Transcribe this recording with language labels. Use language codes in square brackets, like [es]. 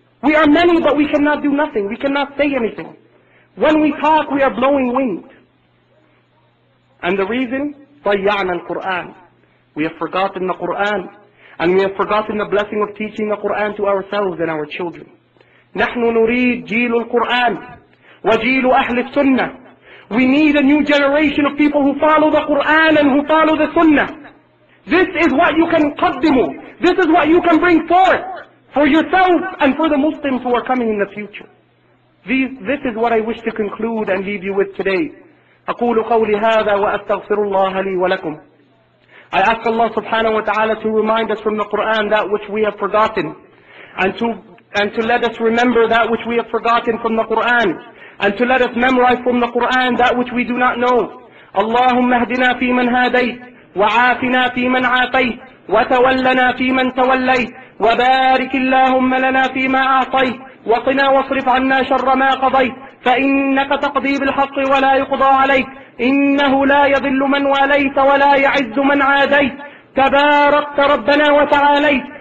[en] We are many, but we cannot do nothing. We cannot say anything. When we talk, we are blowing wind. And the reason? [ar] ضيعنا القرآن. [en] We have forgotten the Qur'an. And we have forgotten the blessing of teaching the Qur'an to ourselves and our children. [ar] نحن نريد جيل القرآن وجيل أهل السنة. [en] We need a new generation of people who follow the Qur'an and who follow the sunnah. This is what you can [ar] قدموا. [en] This is what you can bring forth for yourself and for the Muslims who are coming in the future. This is what I wish to conclude and leave you with today. [ar] أقول قولي هذا وأستغفر الله لي ولكم. [en] I ask Allah subhanahu wa ta'ala to remind us from the Qur'an that which we have forgotten, and to let us remember that which we have forgotten from the Qur'an, and to let us memorize from the Qur'an that which we do not know. [ar] اللهم اهدنا في من هديت وعافنا في من عافيت وتولنا في من توليت وبارك اللهم لنا فيما أعطيت وقنا واصرف عنا شر ما قضيت فإنك تقضي بالحق ولا يقضى عليك إنه لا يضل من واليت ولا يعز من عاديت تباركت ربنا وتعاليت.